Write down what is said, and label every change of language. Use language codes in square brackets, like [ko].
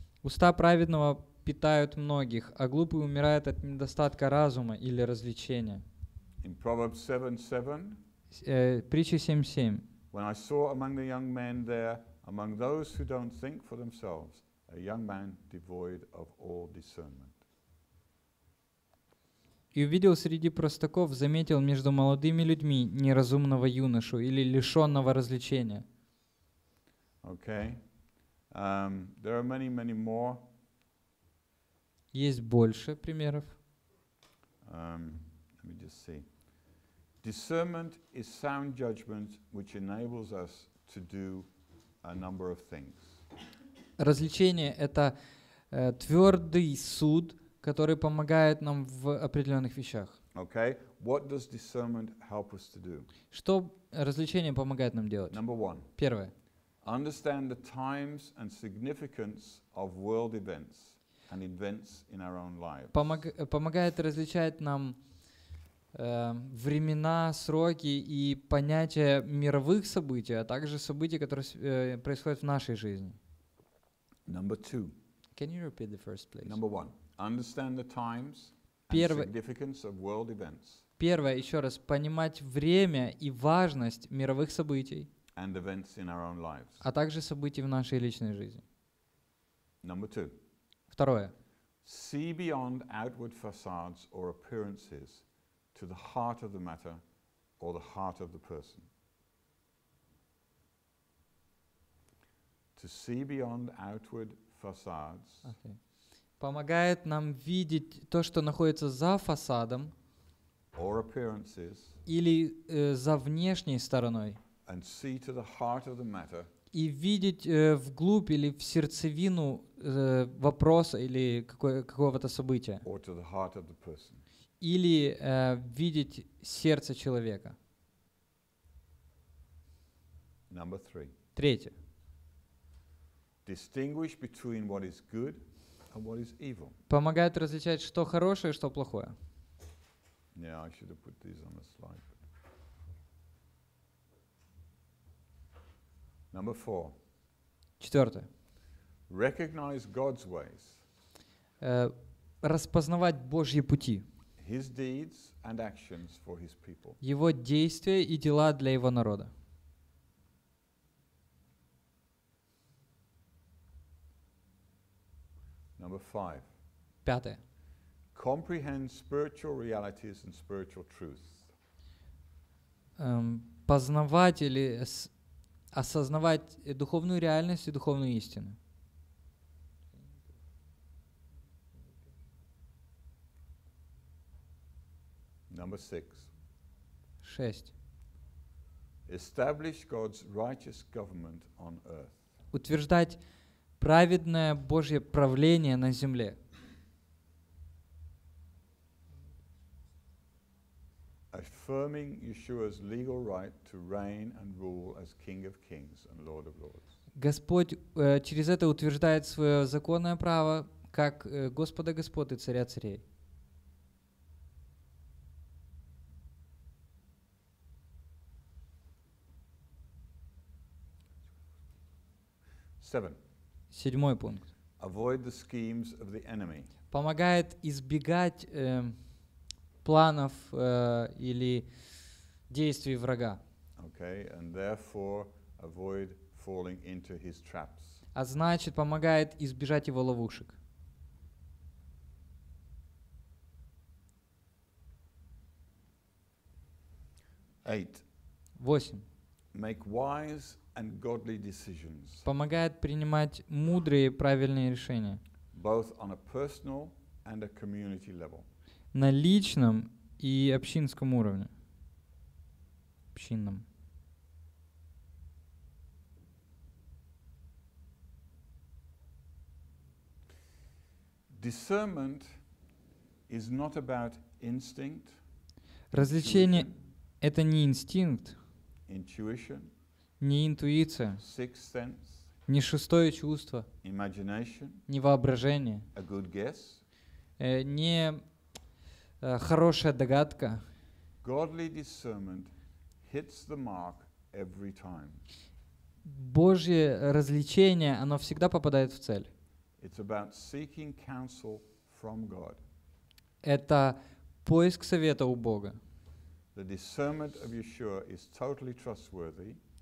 [ru] Уста праведного питают многих, а глупый умирает от недостатка разума или развлечения. [en] In Proverbs 7:7. [ru] Притча 7:7. [en] When I saw among the young men there, among those who don't think for themselves, a young man devoid of all discernment. [ru] И увидел среди простаков, заметил между молодыми людьми неразумного юношу или лишенного развлечения. [en] Okay. There are many, many more. [ru] Есть больше примеров. [en] Let me just see. Discernment is sound judgment, which enables us to do a number of things. [ru] Развлечение — это твердый суд, который помогает нам в определенных вещах. [en] Okay. What does discernment help us to do? [ru] Что различение помогает нам делать? [en] Number one. [ru] Первое. [en] Understand the times and significance of world events and events in our own lives. [ru] Помогает различать нам времена, сроки и понятия мировых событий, а также событий, которые происходят в нашей жизни. [en] Number two. Can you repeat the first place? Number one. Understand the times and significance of world events. [ru] Первое, еще раз, понимать время и важность мировых событий. [en] And events in our own lives. [ru] А также событий в нашей личной жизни. [en] Number two. [ru] Второе. [en] See beyond outward facades or appearances to the heart of the matter or the heart of the person. To see beyond outward facades. Okay. [ru] Помогает нам видеть то, что находится за фасадом. [en] Or appearances. [ru] Или за внешней стороной. [en] And see to the heart of the matter. [ru] И видеть вглубь или в сердцевину вопроса или какого-то события. [en] Or to the heart of the person. [ru] Или видеть сердце человека. [en] Number three. [ru] Третье. [en] Distinguish between what is good and what is evil. [ru] Помогает различать, что хорошее, что плохое. [en] Yeah, I should have put these on the slide. Number four. [ru] Четвертое. [en] Recognize God's ways. [ru] Распознавать Божьи пути. [en] His deeds and actions for his people. [ru] Его действия и дела для его народа. [en] Number five. [ru] Пятое. [en] Comprehend spiritual realities and spiritual truths. [ru] Познавать или осознавать духовную реальность и духовную истину. [en] Number six. [ru] Шесть. [en] Establish God's righteous government on earth. [ru] Утверждать праведное Божье правление на земле. [en] Affirming Yeshua's legal right to reign and rule as King of Kings and Lord of Lords. [ru] Господь через это утверждает свое законное право как Господа Господ и Царя Царей. [en] Seven. [ru] Седьмой пункт. [en] Avoid the schemes of the enemy. [ru] Помогает избегать планов или действий врага. [en] Okay, and therefore avoid falling into his traps. [ru] А значит, помогает избежать его ловушек. [en] Eight. [ru] Восемь. [en] Make wise and godly decisions. [ru] Помогает принимать мудрые и правильные решения. [en] Both on a personal and a community level. [ru] На личном и общинском уровне. Общинном. [en] Discernment is not about instinct. [ru] Развлечение — это не инстинкт. [en] Intuition. [ru] Не интуиция. [en] Sixth sense. [ru] Не шестое чувство. [en] Imagination. [ru] Не воображение. [en] A good guess. [ru] Не хорошая догадка. [en] Godly discernment hits the mark every time. [ru] Божье развлечение, оно всегда попадает в цель. [en] It's about seeking counsel from God. [ru] Это поиск совета у Бога. [en] The discernment of Yeshua is totally trustworthy.